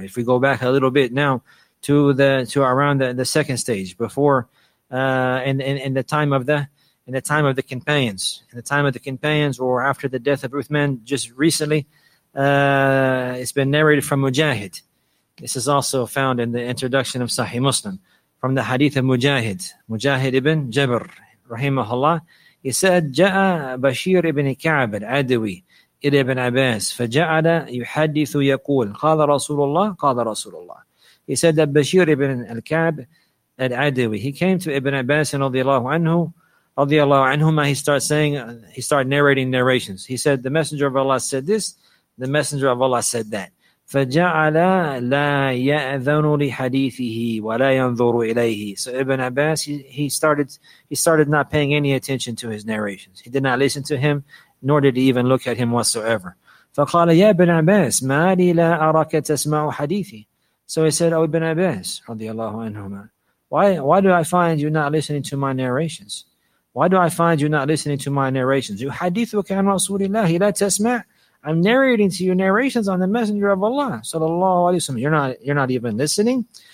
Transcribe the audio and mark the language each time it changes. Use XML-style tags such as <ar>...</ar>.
<en>If we go back a little bit now to around the second stage, before in the time of the companions, or after the death of Uthman, just recently. It's been narrated from Mujahid. This is also found in the introduction of Sahih Muslim, from the hadith of Mujahid ibn Jabr, rahimahullah. He said,</en> <ar>جَاءَ بَشِيرِ ibn كَعْبٍ عَدْوِي إِلَى ibn Abbas فَجَعَلَ يُحَدِّثُ يَقُولُ قَالَ رَسُولُ اللَّهِ قَالَ رَسُولُ اللَّهِ.</ar> <en>He said that Bashir ibn al-Ka'b, al-Adawi. He came to Ibn Abbas radiallahu anhuma, he started narrating narrations. He said, the Messenger of Allah said this, the Messenger of Allah said that.</en> <ar>فَجَعَلَ لَا يَأْذَنُ لِحَدِيثِهِ وَلَا يَنْظُرُ إِلَيْهِ.</ar> <en>So Ibn Abbas, he started not paying any attention to his narrations. He did not listen to him, nor did he even look at him whatsoever.</en> <ar>فَقَالَ يَا Ibn Abbas, مَا لِي لَا أَرَكَ تَسْمَعُ حَدِيثِي.</ar> <en>So he said, oh, Ibn Abbas,</en> <ar>رضي الله عنهما,</ar> <en>why do I find you not listening to my narrations? Why do I find you not listening to my narrations?</en> <ar>يُحَدِيثُكَ عَنْ رَسُولِ اللَّهِ لَا تَسْمَعُ.</ar> <en>I'm narrating to you narrations on the Messenger of Allah, sallallahu alaihi wasallam. You're not even listening.</en>